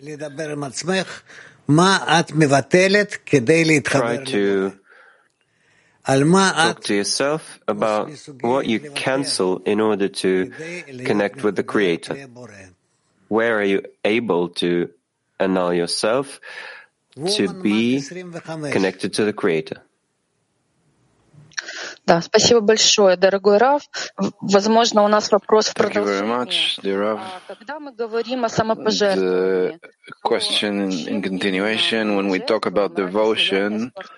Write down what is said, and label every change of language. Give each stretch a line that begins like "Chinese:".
English: Try to talk to yourself about what you cancel in order to connect with the Creator. Where are you able to annul yourself to be connected to the Creator?
Russian: Да, спасибо большое, дорогой Рав. Возможно, у нас вопрос в продолжении. Когда мы говорим о самопожертвовании?
English: The question in continuation, when we talk about devotion,